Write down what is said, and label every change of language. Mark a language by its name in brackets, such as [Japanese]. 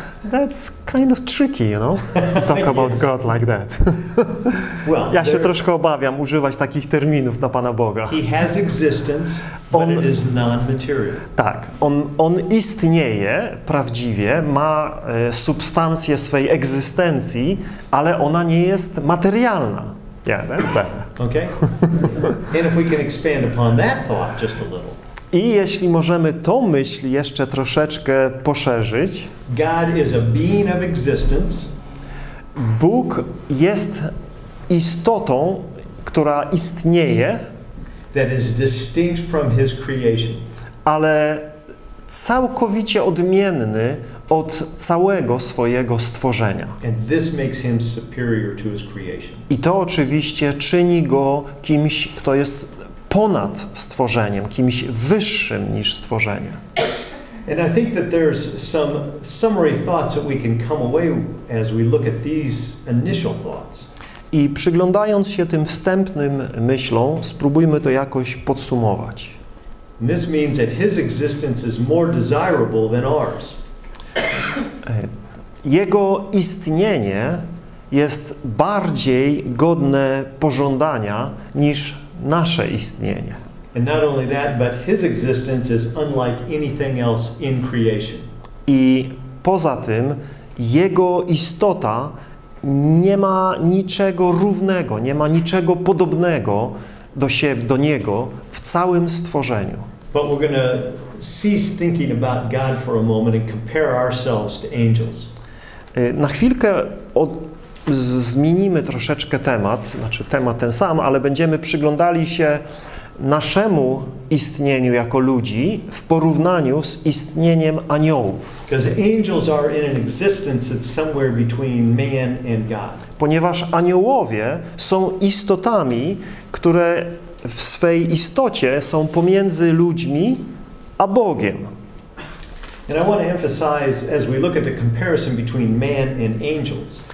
[English] That's kind of tricky, you know, to talk about yes. God like that. Well, [Polish] ja się troszkę obawiam używać takich terminów na Pana Boga. [English] He has existence, on, but it is non-material. [Polish] Tak, on istnieje prawdziwie, ma substancję swej egzystencji, ale ona nie jest materialna. [English] Yeah, that's better. Okay. And if we can expand upon that thought just a little. [Polish] I jeśli możemy tą myśl jeszcze troszeczkę poszerzyć. [English] God is a being of existence. [Polish] Bóg jest istotą, która istnieje. [English] That is distinct from his creation. [Polish] Ale całkowicie odmienny od całego swojego stworzenia. [English] And this makes him superior to his creation. [Polish] I to oczywiście czyni go kimś, kto jest ponad stworzeniem, kimś wyższym niż stworzenie. [English] And I think that there's some summary thoughts that we can come away as we look at these initial thoughts. [Polish] I przyglądając się tym wstępnym myślom, spróbujmy to jakoś podsumować. [English] And this means that his existence is more desirable than ours. [Polish] Jego istnienie jest bardziej godne pożądania niż nasze istnienie. [English] And not only that, but his existence is unlike anything else in creation. [Polish] I poza tym jego istota nie ma niczego równego, nie ma niczego podobnego do siebie, do niego w całym stworzeniu. [English] But we're gonna cease thinking about God for a moment and compare ourselves to angels. [Polish] Na chwilkę zmienimy troszeczkę temat, znaczy temat ten sam, ale będziemy przyglądali się naszemu istnieniu jako ludzi w porównaniu z istnieniem aniołów. [English] Because angels are in an existence that's somewhere between man and God. [Polish] Ponieważ aniołowie są istotami, które w swej istocie są pomiędzy ludźmi a Bogiem. [English] And I want to emphasize as we look at the comparison between man and angels.